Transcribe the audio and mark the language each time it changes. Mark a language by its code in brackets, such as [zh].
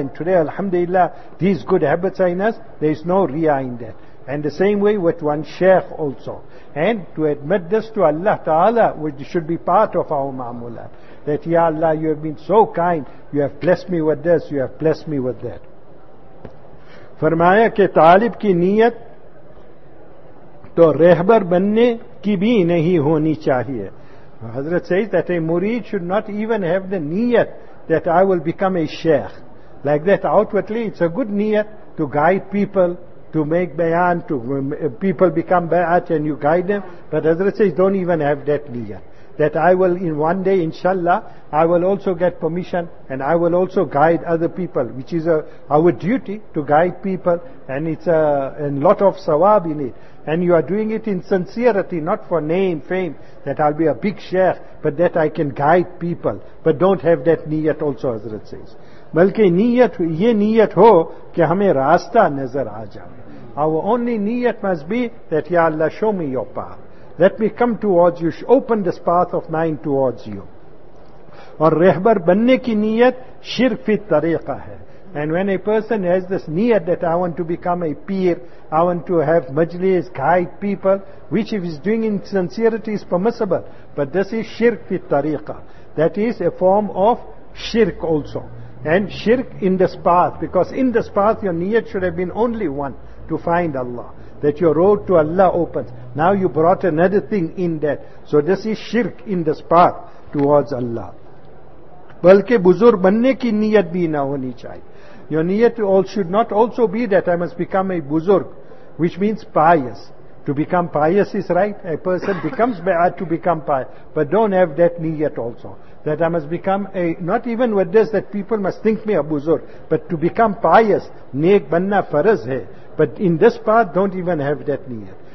[en] And today, alhamdulillah, these good habits are in us. There is no riya in that. And the same way with one sheikh also. And to admit this to Allah Ta'ala, which should be part of our ma'amulat, that Ya Allah, you have been so kind, you have blessed me with this, you have blessed me with that. [ur] فرمایا کہ طالب کی نیت تو رہبر بننے کی بھی نہیں ہونی چاہیے. [en] حضرت says that a murid should not even have the niyat that I will become a sheikh. Like that outwardly, it's a good niyat to guide people, to make bayan, to people become bayat and you guide them. But Hazrat says, don't even have that niyat. That I will in one day, inshallah, I will also get permission and I will also guide other people, which is our duty to guide people, and it's a lot of sawab in it. And you are doing it in sincerity, not for name, fame, that I'll be a big sheikh, but that I can guide people. But don't have that niyat also, Hazrat says. [ur] بلکہ نیت یہ نیت ہو کہ ہمیں راستہ نظر آ جائے. [en] Our only niyat must be that Ya Allah, show me your path. Let me come towards you, open this path of mine towards you. [ur] اور رہبر بننے کی نیت شرک فی طریقہ ہے. [en] And when a person has this niyat that I want to become a peer, I want to have majlis, guide people, which if he's doing in sincerity is permissible. But this is shirk fi tariqah. That is a form of shirk also. And shirk in this path, because in this path your niyat should have been only one, to find Allah. That your road to Allah opens. Now you brought another thing in that. So this is shirk in this path. towards Allah. [ur] بلکہ بزرگ بننے کی نیت بھی نہ ہونی چاہیے. [en] Your niyat should not also be that I must become a buzurg, which means pious. To become pious is right. A person becomes bad to become pious. But don't have that niyat also. That I must become a, not even with this, that people must think me a buzurg. But to become pious, [ur] nek banna faraz hai. [en] But in this path, don't even have that niyat.